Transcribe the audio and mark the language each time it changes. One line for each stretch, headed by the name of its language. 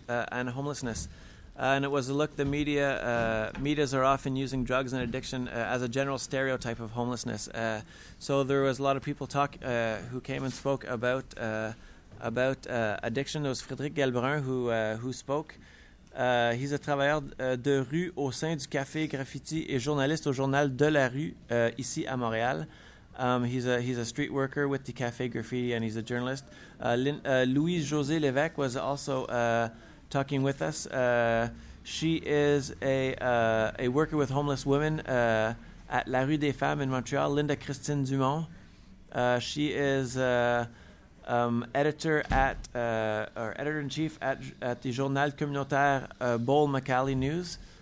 English: And it was a look, the medias are often using drugs and addiction as a general stereotype of homelessness. So there was a lot of people who came and spoke about addiction. There was Frédéric Galbrun who spoke. He's a
French: travailleur de rue au sein du Café Graffiti et journaliste au journal De La Rue ici à Montréal.
English: He's a street worker with the Café Graffiti, and he's a journalist. Louise-José Lévesque was also talking with us. She is a worker with homeless women at La Rue des Femmes in Montreal. Linda Christine Dumont. She is... editor-in-chief at the Journal Communautaire Bowl McAuley News.